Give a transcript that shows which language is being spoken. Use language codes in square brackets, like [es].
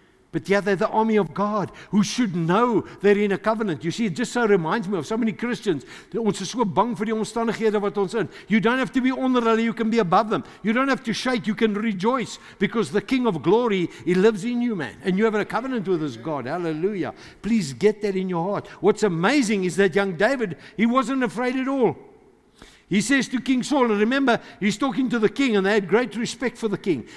[en] But yeah, they're the army of God who should know they're in a covenant. You see, it just so reminds me of so many Christians. [af] Ons is so bang vir die omstandighede wat ons in. [en] You don't have to be [af] onder hulle, [en] you can be above them. You don't have to shake, you can rejoice. Because the King of Glory, He lives in you, man. And you have a covenant with this God. Hallelujah. Please get that in your heart. What's amazing is that young David, he wasn't afraid at all. He says to King Saul, and remember, he's talking to the king, and they had great respect for the king.